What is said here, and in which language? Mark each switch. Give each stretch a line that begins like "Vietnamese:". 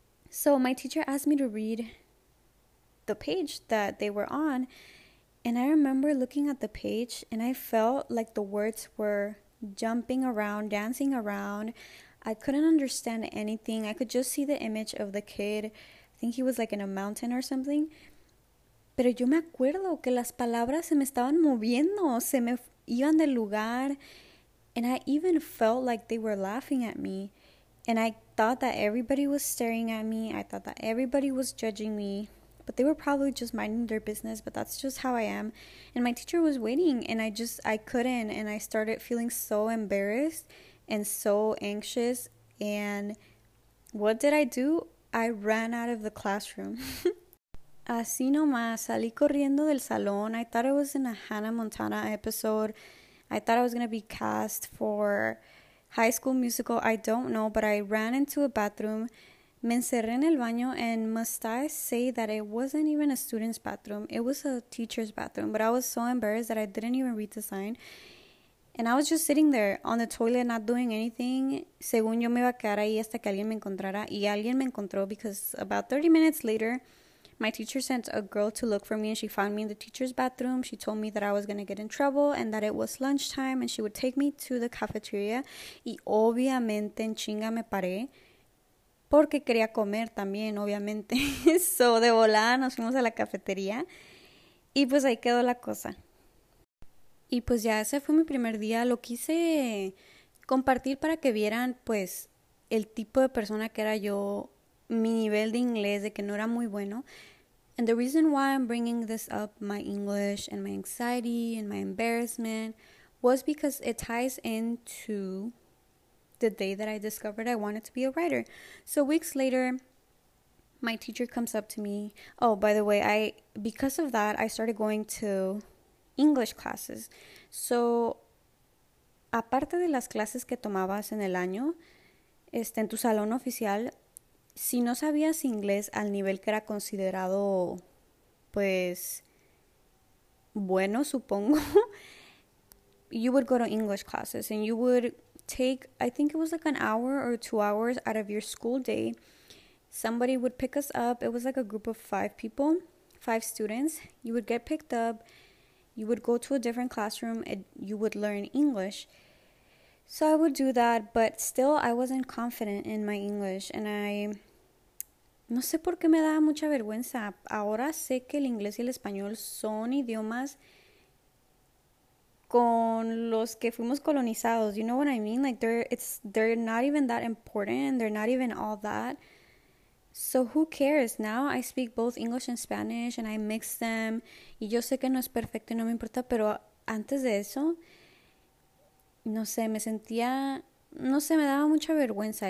English: So my teacher asked me to read the page that they were on, and I remember looking at the page and I felt like the words were jumping around, dancing around. I couldn't understand anything. I could just see the image of the kid. I think he was like in a mountain or something.
Spanish: Pero yo me acuerdo que las palabras se me estaban moviendo, se me iban del lugar.
English: And I even felt like they were laughing at me. And I thought that everybody was staring at me. I thought that everybody was judging me. but they were probably just minding their business, but that's just how I am. And my teacher was waiting, and I couldn't, and I started feeling so embarrassed and so anxious. And what did I do? I ran out of the classroom.
Spanish: Así nomás, salí corriendo del salón.
English: I thought I was in a Hannah Montana episode. I thought I was gonna be cast for High School Musical. I don't know, but I ran into a bathroom.
Spanish: Me encerré en el baño,
English: and must I say that it wasn't even a student's bathroom. It was a teacher's bathroom, but I was so embarrassed that I didn't even read the sign. And I was just sitting there on the toilet, not doing anything.
Spanish: Según yo me iba a quedar ahí hasta que alguien me encontrara. Y alguien me encontró
English: because about 30 minutes later, my teacher sent a girl to look for me, and she found me in the teacher's bathroom. She told me that I was going to get in trouble and that it was lunchtime, and she would take me to the cafeteria.
Spanish: Y obviamente en chinga me paré porque quería comer también, obviamente.
English: So
Spanish: de volada nos fuimos a la cafetería y pues ahí quedó la cosa. Y pues ya ese fue mi primer día. Lo quise compartir para que vieran pues el tipo de persona que era yo, mi nivel de inglés, de que no era muy bueno.
English: And the reason why I'm bringing this up, my English and my anxiety and my embarrassment, was because it ties into the day that I discovered I wanted to be a writer. So weeks later, my teacher comes up to me. Oh, by the way, because of that, I started going to English classes. So,
Spanish: aparte de las clases que tomabas en el año, en tu salón oficial, si no sabías inglés al nivel que era considerado, pues, bueno, supongo,
English: you would go to English classes and you would take, I think it was like an hour or 2 hours out of your school day. Somebody would pick us up. It was like a group of five people, five students. You would get picked up. You would go to a different classroom and you would learn English. So I would do that, but still I wasn't confident in my English, and I
Spanish: no sé por qué me daba mucha vergüenza. Ahora sé que el inglés y el español son idiomas con los que fuimos colonizados.
English: You know what I mean? Like they're not even that important and they're not even all that. So who cares? Now I speak both English and Spanish and I mix them.
Spanish: Y yo sé que no es perfecto y no me importa, pero antes de eso, no sé, me sentía, no sé, me daba mucha vergüenza.